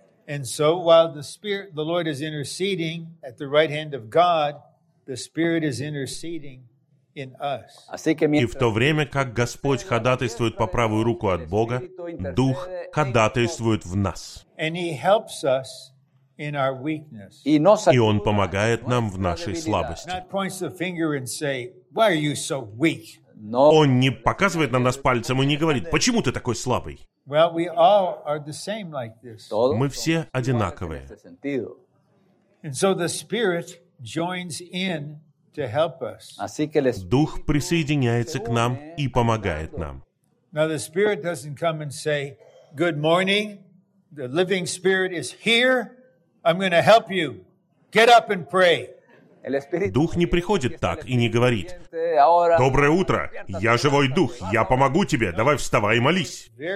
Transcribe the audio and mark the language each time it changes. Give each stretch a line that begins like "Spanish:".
English: And so, while the Spirit, the Lord is interceding at the right hand of God, the Spirit is interceding in us.
Russian: И в то время, как Господь ходатайствует по правую руку от Бога, Дух ходатайствует в нас.
English: And He helps us in our weakness.
Russian: И Он помогает нам в нашей слабости.
English: Not points the finger and say, "Why are you so weak?"
Russian: Он не показывает на нас пальцем и не говорит: "Почему ты такой слабый?"
English: Well, we all are the same like this.
Russian: Мы все одинаковые.
English: And so the Spirit joins in to help us.
Russian: Дух присоединяется к нам и помогает нам.
English: Now the Spirit doesn't come and say, "Good morning, the living Spirit is here. I'm going to help you. Get up and pray."
Russian: Дух не приходит так и не говорит: «Доброе утро! Я живой дух, я помогу тебе, давай вставай и молись!»